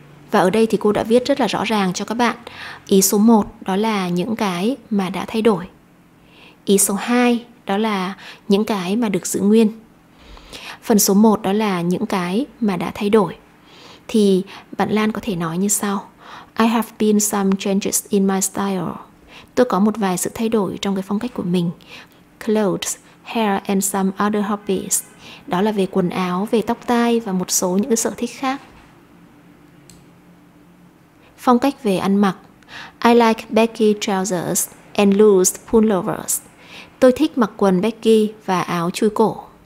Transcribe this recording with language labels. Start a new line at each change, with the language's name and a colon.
Vietnamese: Và ở đây thì cô đã viết rất là rõ ràng cho các bạn. Ý số 1 đó là những cái mà đã thay đổi. Ý số 2 đó là những cái mà được giữ nguyên. Phần số 1 đó là những cái mà đã thay đổi. Thì bạn Lan có thể nói như sau.
English: I have been some changes in my style.
Vietnamese: Tôi có một vài sự thay đổi trong cái phong cách của mình.
English: Clothes, hair and some other hobbies.
Vietnamese: Đó là về quần áo, về tóc tai và một số những sở thích khác. Phong cách về ăn mặc.
English: I like baggy trousers and loose pullovers.
Vietnamese: Tôi thích mặc quần baggy và áo chui cổ.